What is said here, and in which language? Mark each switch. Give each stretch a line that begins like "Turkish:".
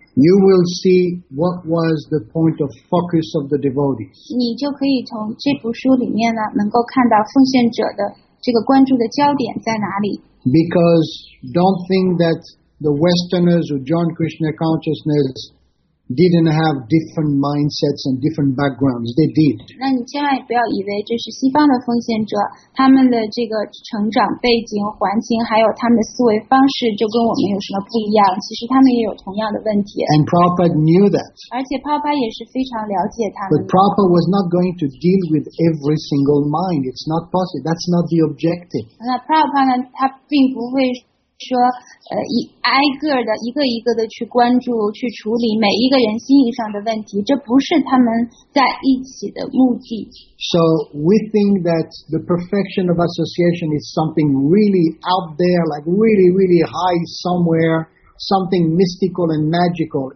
English: You will see what was the point of focus of the devotees.
Chinese: 你就可以从这部书里面呢，能够看到奉献者的这个关注的焦点在哪里。
English: Because don't think that the Westerners who joined Krishna consciousness didn't have different mindsets and different backgrounds. They did.
Chinese: 那你千万不要以为这是西方的奉献者，他们的这个成长背景、环境，还有他们的思维方式，就跟我们有什么不一样？其实他们也有同样的问题。
English: And Prabhupada knew that.
Chinese: 而且帕巴也是非常了解他们。
English: But Prabhupada was not going to deal with every single mind. It's not possible. That's not the objective.
Chinese: 那帕巴呢？他并不会。说挨个的一个一个的去关注去处理每一个人心理上的问题，这不是他们在一起的目的。
English: So we think that the perfection of association is something really out there, like really really high somewhere, something mystical and magical.